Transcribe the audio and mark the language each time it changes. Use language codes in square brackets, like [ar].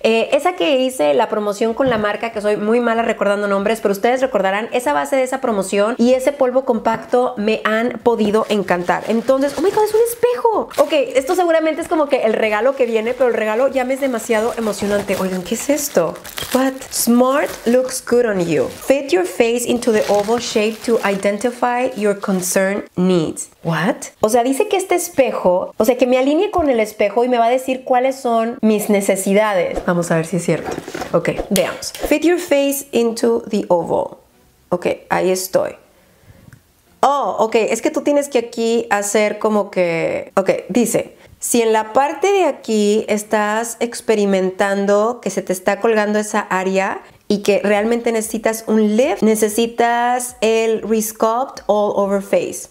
[es] Esa que hice la promoción con la marca, que soy muy mala recordando nombres, pero ustedes recordarán esa base de esa promoción y ese polvo compacto me han podido encantar. Entonces, oh my God, es un espejo. Ok, esto seguramente es como que el regalo que viene, pero el regalo ya me es demasiado emocionante. [en] Oigan, ¿qué es esto? What? Smart looks good on you. Fit your face into the oval shape to identify your concern needs. What? [es] O sea, dice que este espejo, o sea, que me alinee con el espejo y me va a decir cuáles son mis necesidades. Vamos a ver si es cierto. Ok, veamos. [en] Fit your face into the oval. [es] Ok, ahí estoy. Oh, ok, es que tú tienes que aquí hacer como que... Ok, dice... Si en la parte de aquí estás experimentando que se te está colgando esa área y que realmente necesitas un lift, necesitas el Resculpt All Over Face.